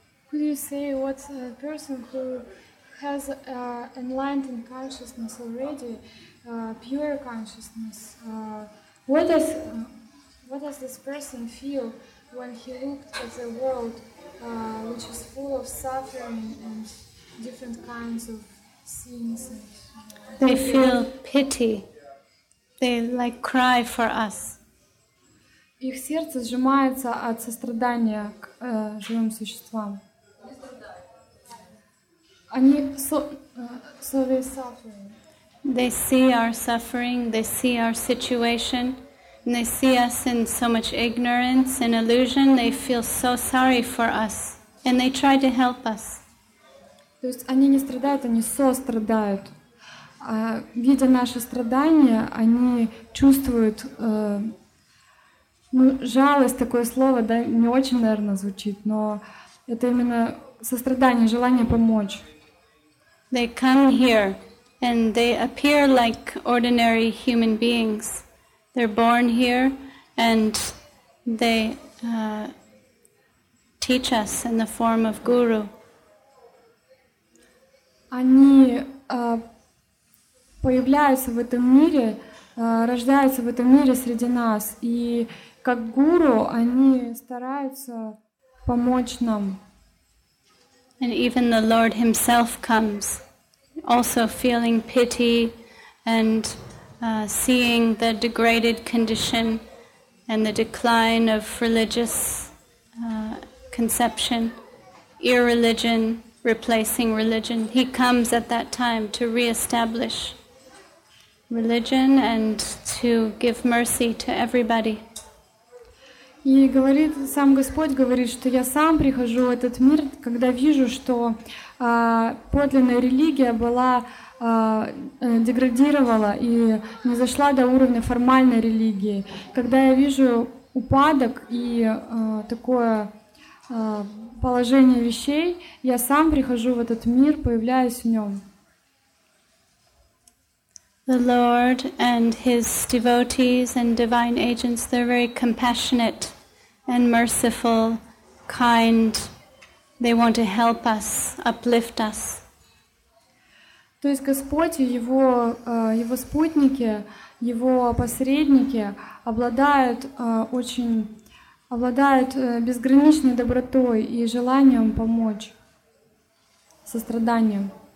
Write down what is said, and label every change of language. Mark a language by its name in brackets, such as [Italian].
[English] Could you say what a person who has enlightened consciousness already, pure consciousness, what does this person feel when he looked at the world which is full of suffering and different kinds of scenes? They feel pity. They like cry for us. [Russian] их сердце сжимается от сострадания к живым существам. Они [English] so they suffer. They see our suffering, they see our situation, and they see us in so much ignorance and illusion, they feel so sorry for us, and they try to help us. [Russian] То есть они не страдают, они сострадают. Видя наши страдания, они чувствуют ну, жалость, такое слово, да, не очень, наверное, звучит, но это именно сострадание, желание помочь. [English] They come here. And they appear like ordinary human beings. They're born here, and they teach us in the form of guru. [Russian] Они появляются в этом мире, рождаются в этом мире среди нас, и как гуру они стараются помочь нам. [English] And even the Lord Himself comes. Also feeling pity and seeing the degraded condition and the decline of religious conception, irreligion replacing religion. He comes at that time to reestablish religion and to give mercy to everybody. [Russian] И говорит, сам Господь говорит, что я сам прихожу в этот мир, когда вижу, что подлинная религия была деградировала и не зашла до уровня формальной религии. Когда я вижу упадок и такое положение вещей, я сам прихожу в этот мир, появляюсь в нем. [English] The Lord and His devotees and divine agents, they're very compassionate. And merciful, kind, they want to help us, uplift us. [Russian] То есть Господь и его спутники, его посредники обладают безграничной добротой и желанием помочь, состраданием.